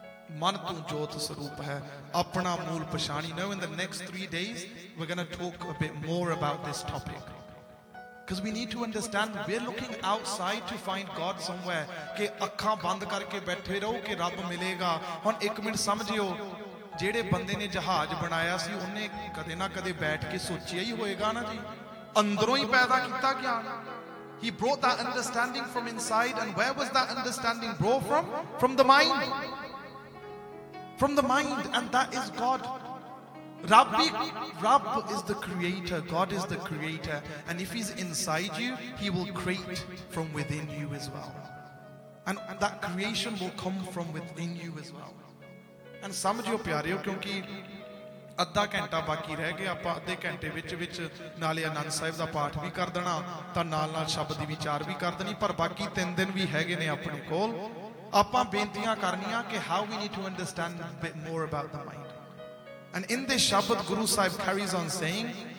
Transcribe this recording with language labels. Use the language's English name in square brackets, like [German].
[Punjabi] ਮਨ ਤੂੰ ਜੋਤ ਸਰੂਪ ਹੈ ਆਪਣਾ ਮੂਲ ਪਛਾਣੀ ਨਾ [English] in the next 3 days we are going to talk a bit more about this topic cause we need to understand we are looking outside to find God somewhere [Punjabi] ਕਿ ਅੱਖਾਂ ਬੰਦ ਕਰਕੇ ਬੈਠੇ ਰਹੋ ਕਿ ਰੱਬ ਮਿਲੇਗਾ ਹੁਣ 1 ਮਿੰਟ ਸਮਝਿਓ ਜਿਹੜੇ ਬੰਦੇ ਨੇ ਜਹਾਜ਼ ਬਣਾਇਆ ਸੀ ਉਹਨੇ ਕਦੇ ਨਾ ਕਦੇ ਬੈਠ ਕੇ ਸੋਚਿਆ ਹੀ ਹੋਏਗਾ ਨਾ ਜੀ ਅੰਦਰੋਂ ਹੀ ਪੈਦਾ ਕੀਤਾ ਗਿਆ [English] He brought that understanding from inside and where was that understanding brought from? From the mind. From the mind and that is God. Rabb is the creator. God is the creator. And if he's inside you, he will create from within you as well. And that creation will come from within you as well. [Punjabi] And samajhyo pyareyo kyunki ਅੱਧਾ ਘੰਟਾ ਬਾਕੀ ਰਹਿ ਗਿਆ ਆਪਾਂ ਅੱਧੇ ਘੰਟੇ ਵਿੱਚ ਨਾਲੇ ਆਨੰਦ ਸਾਹਿਬ ਦਾ ਪਾਠ ਵੀ ਕਰ ਦੇਣਾ ਤਾਂ ਨਾਲ ਨਾਲ ਸ਼ਬਦ ਵਿਚਾਰ ਵੀ ਕਰ ਦੇਣੀ ਪਰ ਬਾਕੀ 3 ਦਿਨ ਵੀ ਹੈਗੇ ਨੇ ਆਪਣੇ ਕੋਲ ਆਪਾਂ ਬੇਨਤੀਆਂ ਕਰਨੀਆਂ ਕਿ [English] how we need to understand bit more about the mind and in the shabad Guru Sahib carries on saying